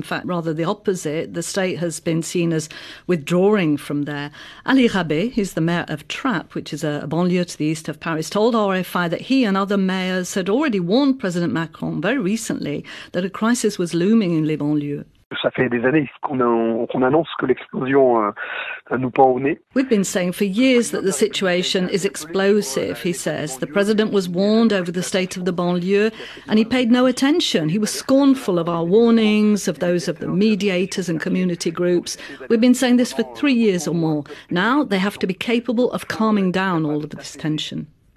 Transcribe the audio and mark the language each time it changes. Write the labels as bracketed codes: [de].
[en] In fact, rather the opposite. The state has been seen as withdrawing from there. Ali Rabé, who's the mayor of Trappes, which is a banlieue to the east of Paris, told RFI that he and other mayors had already warned President Macron very recently that a crisis was looming in les banlieues. [fr] Ça fait des années qu'on annonce que l'explosion nous pend au nez. [en] We've been saying for years that the situation is explosive, he says. The president was warned over the state of the banlieue and he paid no attention. He was scornful of our warnings, of those of the mediators and community groups. We've been saying this for 3 years or more. Now they have to be capable of calming down all of this tension.